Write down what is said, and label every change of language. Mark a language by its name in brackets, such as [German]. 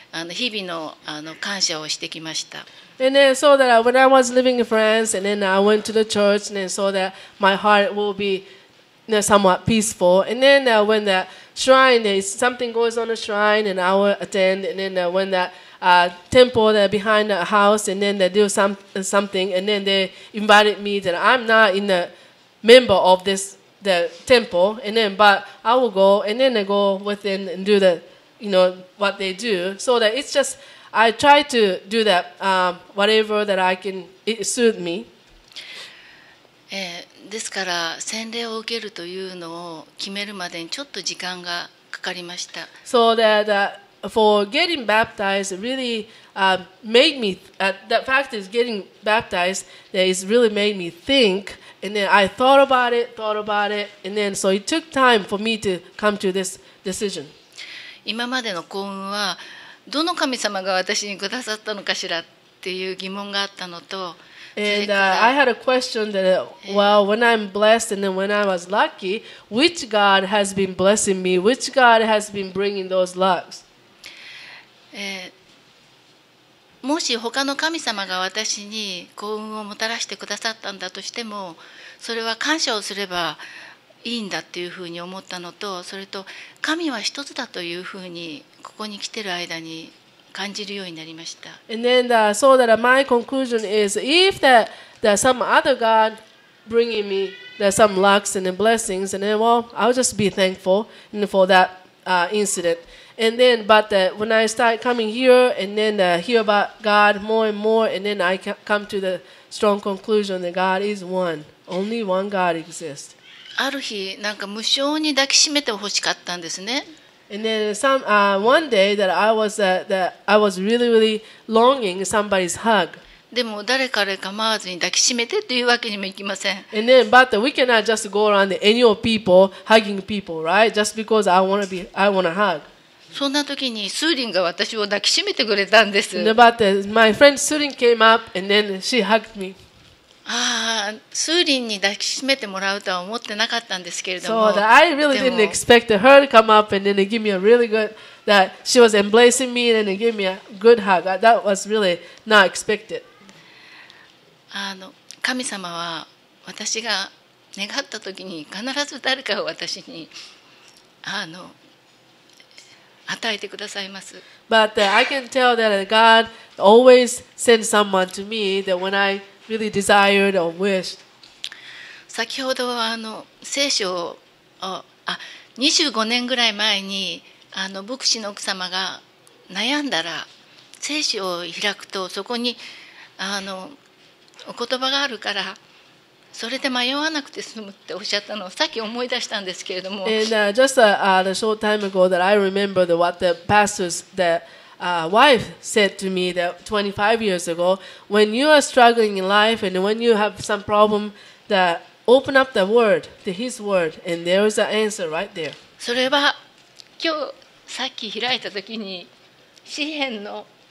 [Japanese] 日々 の, あの感謝をしてきました。 [English] And then so that when I was living in France, and then I went to the church, and then so that my heart will be you know, somewhat peaceful. And then when the shrine, something goes on the shrine, and I will attend. And then when the temple that behind the house, and then they do something, and then they invited me that I'm not in the member of this the temple. And then but I will go, and then I go within and do the you know what they do. So that it's just. I try to do that, whatever that I can, it suit me. [Japanese] ですから洗礼を受けるというのを決めるまでにちょっと時間がかかりました。 [English] So that, for getting baptized really, made me, that fact is getting baptized, that is really made me think, and then I thought about it, and then so it took time for me to come to this decision. [Japanese] 今までの幸運はどの神様が私にくださったのかしらっていう疑問があったのと、 [English] And I had a question that, well, when I'm blessed and then when I was lucky, which God has been blessing me? Which God has been bringing those lucks? [Japanese] もし他の神様が私に幸運をもたらしてくださったんだとしても、それは感謝をすればいいんだっていうふうに思ったのと、それと神は一つだというふうに。ここに来てる間に感じるようになりました。 [English] And then the, so that my conclusion is if that there's some other God bringing me there's some lucks and then blessings and then well I'll just be thankful for that incident. And then but the, when I start coming here and then the, hear about God more and more and then I come to the strong conclusion that God is one. Only one God exists. [Japanese] ある日なんか無性に抱きしめてほしかったんですね。 [English] And then some, one day that I was, that I was really, really longing somebody's hug. [Japanese] でも誰から構わずに抱きしめてというわけにもいきません。 [English] And then, but we cannot just go around any old people hugging people, right? Just because I want to hug. [Japanese] そんな時にスーリンが私を抱きしめてくれたんです。 [English] And then, but my friend Surin came up and then she hugged me. [Japanese] ああ、スーリンに抱きしめてもらうとは思ってなかったんですけれども。 [English] So that I really didn't expect her to come up and then give me a really good that she was embracing me and then give me a good hug. That was really not expected. [Japanese] 神様は私が願った時に必ず誰かを私に与えてくださいます。 [English] But I can tell that God always sends someone to me that when I really desired or wished. [Japanese] 先ほど聖書を25年ぐらい前に牧師の奥様が悩んだら聖書を開くとそこにお言葉があるからそれで迷わなくて済むっておっしゃったのをさっき思い出したんですけれども。 [English] And just a short time ago that I remember the, what the pastors thatwife said to me that 25 years ago, when you are struggling in life and when you have some problem, that open up the word, the His word, and there is an answer right there. [Japanese] それは今日さっき開いた時に詩篇の。